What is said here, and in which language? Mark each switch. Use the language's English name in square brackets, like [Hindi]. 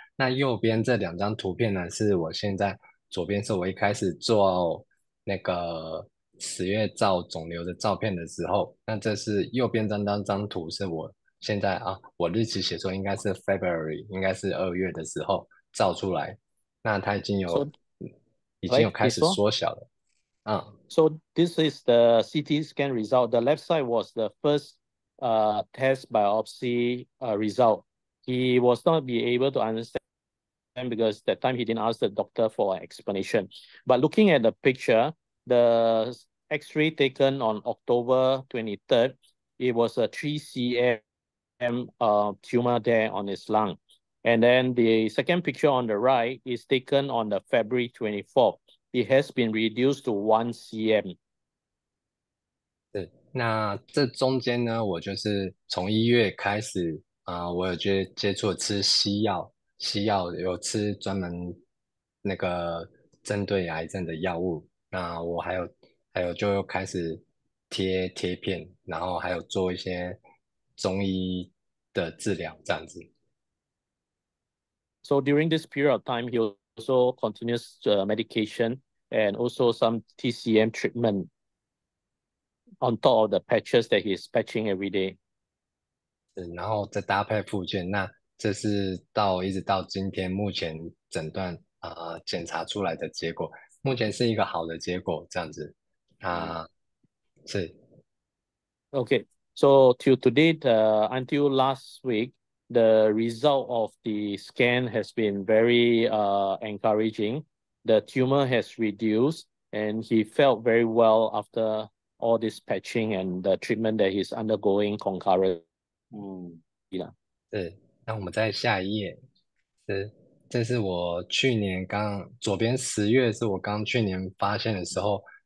[Chinese] 那右边这两张图片呢，是我现在左边是我一开始做那个十月照肿瘤的照片的时候，那这是右边这张图是我现在我日期写错，应该是 [English] February， [Chinese] 应该是二月的时候照出来，那它已经有开始缩小了。 [English] So this is the CT scan result. The left side was the first test biopsy result. He was not be able to understand because that time he didn't ask the doctor for an explanation. But looking at the picture, the X-ray taken on October 23rd, it was a 3 cm tumor there on his lung. And then the second picture on the right is taken on the February 24th. It has been reduced to 1 cm. [Chinese] 对，那这中间呢，我就是从一月开始我有接触吃西药，有吃专门那个针对癌症的药物。那我还有就又开始贴片，然后还有做一些中医的治疗这样子。 [English] So during this period of time, he also continues medication. And also some TCM treatment. on top of the patches that he's patching every day. [Chinese] 然后再搭配复健，那这是到一直到今天目前诊断检查出来的结果，目前是一个好的结果，这样子。 [English] Okay, so till today, until last week, the result of the scan has been very encouraging. The tumor has reduced and he felt very well after all this patching and the treatment that he's undergoing concurrently. Yeah. [Chinese] 对，那我们再下一页。这是我去年刚，左边10月是我刚去年发现的时候。